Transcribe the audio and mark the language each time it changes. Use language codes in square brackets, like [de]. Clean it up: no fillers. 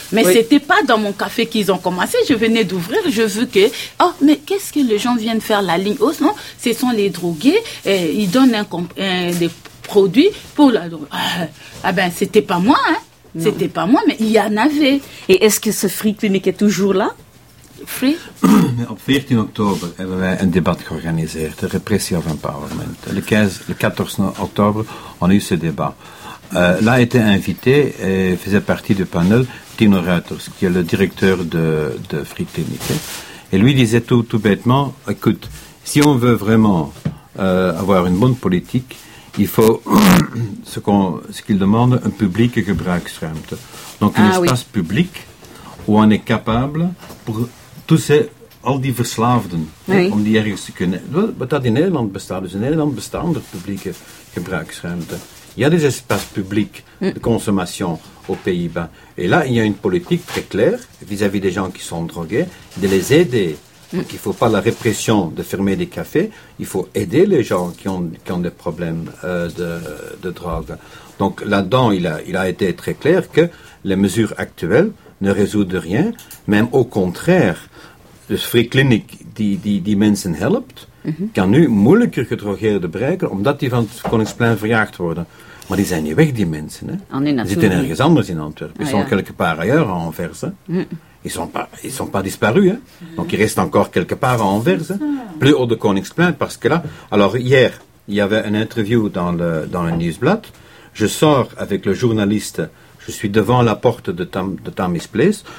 [fr] Mais c'était pas dans mon café qu'ils ont commencé. Je venais d'ouvrir. Je veux que. Oh, mais qu'est-ce que les gens viennent faire la ligne? Oh, non, ce sont les drogués. Et ils donnent des produits pour la drogue. Ah ben, c'était pas moi, hein. Non. C'était pas moi, mais il y en avait. Et est-ce que ce Free Clinic est toujours là? [en] Free? [nl] Op 14 octobre hebben wij een debat georganiseerd, de repressie of empowerment. [fr] Le 14 octobre, on a eu ce débat. Là était invité et faisait partie du panel Tino Reuters, qui est le directeur de Free Clinic. Et lui disait tout bêtement, écoute, si on veut vraiment avoir une bonne politique, il faut ce qu'il demande, un [nl] public gebruiksruimte. [fr] Donc un espace public où on est capable pour tous ces [nl] al die verslaafden, om die ergens te kunnen. Wat dat in Nederland bestaat, dus in Nederland bestaan er publieke gebruiksruimte. [fr] Il y a des espaces publics de consommation aux Pays-Bas. Et là, il y a une politique très claire vis-à-vis des gens qui sont drogués, de les aider. Donc, il ne faut pas la répression de fermer des cafés, il faut aider les gens qui ont des problèmes de drogue. Donc là-dedans, il a été très clair que les mesures actuelles ne résoudent rien, même au contraire, [nl] de Free Clinic die mensen helpt, kan nu moeilijker gedrogeerd te bereiken, omdat die van het Koningsplein verjaagd worden. Maar die zijn niet weg, die mensen. Hè? Ze zitten ergens anders in Antwerpen. [fr] Ils sont quelque part ailleurs en Anvers. Ils sont pas disparus. Hein? Donc, ils restent encore quelque part en Anvers. Plus haut de Koningsplein, parce que là... Alors, hier, il y avait une interview dans le Nieuwsblad. Je sors avec le journaliste. Je suis devant la porte de Tammy's Place.